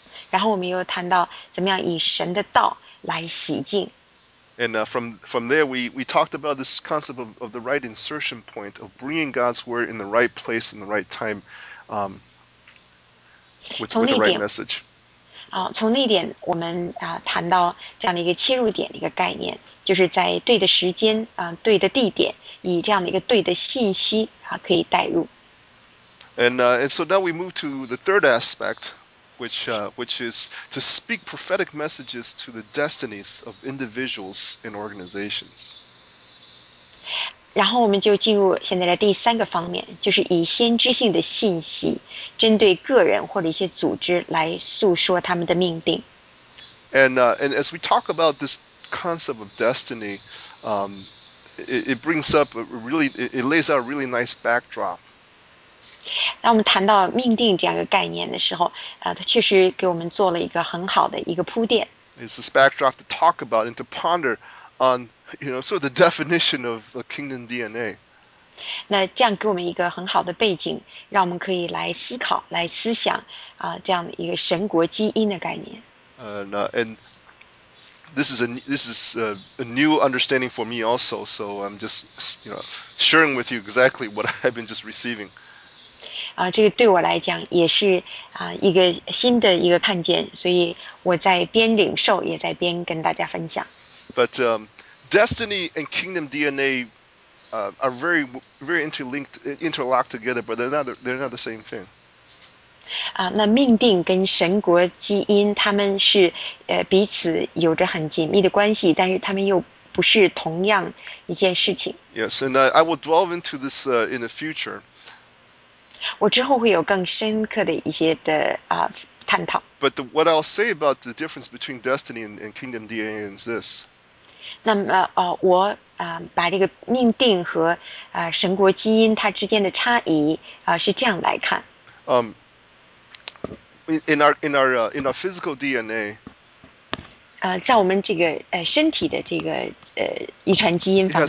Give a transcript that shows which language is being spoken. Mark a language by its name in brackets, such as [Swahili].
[Chinese] 然后我们又谈到怎么样以神的道来洗净。 [English] And from there, we talked about this concept of the right insertion point, of bringing God's word in the right place in the right time with the right message. [Chinese] 从那点我们谈到这样的一个切入点的一个概念，就是在对的时间对的地点，以这样的一个对的信息可以带入。 [English] And so now we move to the third aspect, which is to speak prophetic messages to the destinies of individuals and organizations. [Chinese] 然后我们就进入现在的第三个方面，就是以先知性的信息针对个人或者一些组织来诉说他们的命定。 [English] And as we talk about this concept of destiny, it brings up it lays out a really nice backdrop. [Chinese] 当我们谈到命定这样一个概念的时候，它确实给我们做了一个很好的一个铺垫。 [English] It's this backdrop to talk about and to ponder on, sort of the definition of a kingdom DNA. [Chinese] 那这样给我们一个很好的背景，让我们可以来思考、来思想啊，这样一个神国基因的概念。 [English] This is a new understanding for me also. So I'm just, sharing with you exactly what I've been just receiving. [Chinese] 这个对我来讲也是一个新的一个看见，所以我在边领受也在边跟大家分享。 [English] But destiny and kingdom DNA are very, very interlocked together, but they're not the same thing. [Chinese] 那命定跟神国基因他们是彼此有着很紧密的关系，但是他们又不是同样一件事情。 [English] Yes, and I will delve into this in the future. [Chinese] 我之后会有更深刻的一些的探讨。 [English] But what I'll say about the difference between destiny and kingdom DNA is this. [Chinese] 那么我把这个命定和神国基因它之间的差异是这样来看。 [English] In our physical DNA. [Chinese] 在我们这个身体的这个遗传基因方面。